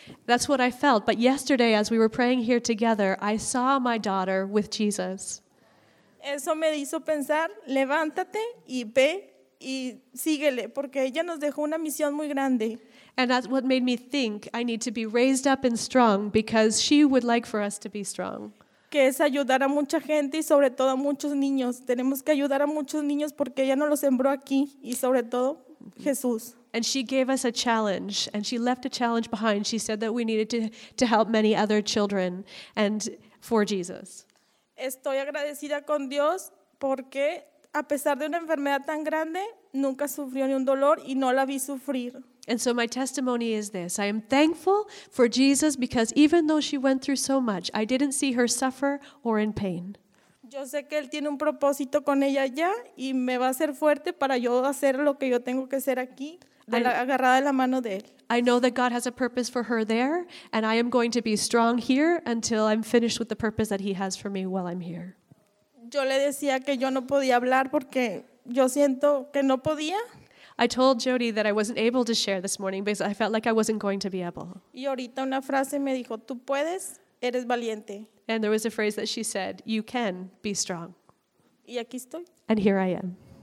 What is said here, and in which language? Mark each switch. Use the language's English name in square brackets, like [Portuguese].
[English] That's what I felt. But yesterday, as we were praying here together, I saw my daughter with Jesus. [Spanish] Eso me hizo pensar, levántate y ve y síguele, porque ella nos dejó una misión muy grande. [English] And that's what made me think I need to be raised up and strong because she would like for us to be strong. [Spanish] Que es ayudar a mucha gente y sobre todo a muchos niños. Tenemos que ayudar a muchos niños porque ella nos lo sembró aquí y sobre todo Jesús. [English] And she gave us a challenge and she left a challenge behind. She said that we needed to help many other children and for Jesus. [Spanish] Estoy agradecida con Dios porque a pesar de una enfermedad tan grande, nunca sufrió ni un dolor y no la vi sufrir. [English] And so my testimony is this. I am thankful for Jesus because even though she went through so much, I didn't see her suffer or in pain. [Spanish] Yo sé que él tiene un propósito con ella ya y me va a hacer fuerte para yo hacer lo que yo tengo que hacer aquí, agarrada de la mano de él. [English] I know that God has a purpose for her there and I am going to be strong here until I'm finished with the purpose that he has for me while I'm here. [Spanish] Yo le decía que yo no podía hablar porque yo siento que no podía. [English] I told Jody that I wasn't able to share this morning because I felt like I wasn't going to be able. [Spanish] Y ahorita una frase me dijo, tú puedes, eres valiente. [English] And there was a phrase that she said, you can be strong. [Spanish] Y aquí estoy. [English] And here I am.